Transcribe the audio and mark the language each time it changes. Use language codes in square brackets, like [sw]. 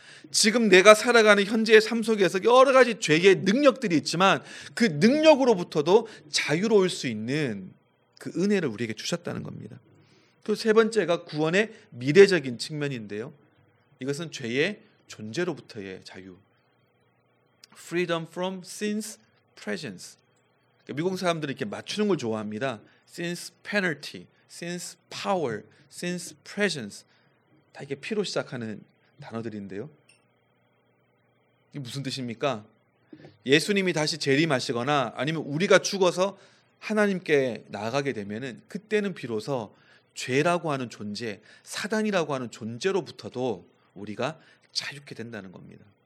[ko] 지금 내가 살아가는 현재의 삶 속에서 여러 가지 죄의 능력들이 있지만 그 능력으로부터도 자유로울 수 있는 그 은혜를 우리에게 주셨다는 겁니다. 그리고 세 번째가 구원의 미래적인 측면인데요. 이것은 죄의 존재로부터의 자유. [en] Freedom from sin's presence. [ko] 미국 사람들은 이렇게 맞추는 걸 좋아합니다. [en] Sin's penalty, sin's power, sin's presence. [ko] 다 이렇게 P로 시작하는 단어들인데요. 이게 무슨 뜻입니까? 예수님이 다시 재림하시거나 아니면 우리가 죽어서 하나님께 나아가게 되면은 그때는 비로소 죄라고 하는 존재, 사단이라고 하는 존재로부터도 우리가 자유케 된다는 겁니다.